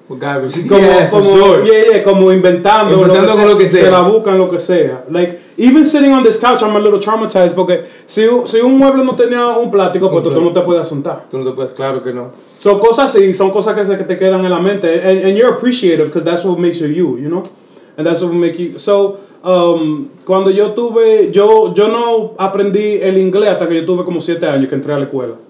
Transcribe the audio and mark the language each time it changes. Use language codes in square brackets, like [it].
[es] MacGyvers, como inventando. Inventando lo que sea. Se la buscan lo que sea. [en] Like, even sitting on this couch, I'm a little traumatized [es] porque si un mueble no tenía un plástico, pues tú no te puedes sentar. Tú no te puedes, claro que no. So, cosas así, son cosas que te quedan en la mente. [en] And you're appreciative because that's what makes you, you know? And that's what makes you. [es] So, cuando yo tuve, yo no aprendí el inglés hasta que yo tuve como 7 años que entré a la escuela.